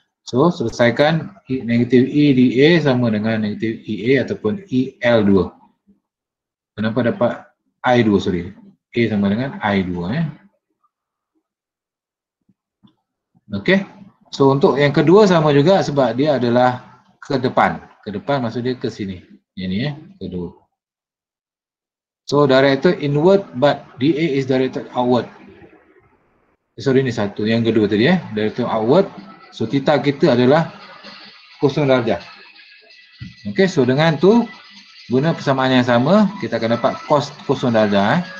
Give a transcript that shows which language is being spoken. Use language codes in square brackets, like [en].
[ms] So selesaikan negatif E DA sama dengan negatif EA ataupun EL2. Kenapa dapat I2, sorry. A sama dengan I2 ya. Okay. So untuk yang kedua sama juga sebab dia adalah ke depan. Ke depan maksud dia ke sini. Ini ya, kedua. [en] So directed inward but DA is directed outward. [ms] Sorry, ini satu. Yang kedua tadi ya. [en] Directed outward. [ms] So theta kita adalah kosong darjah. Okay. So dengan tu guna persamaan yang sama, kita akan dapat cos kosong darjah ya.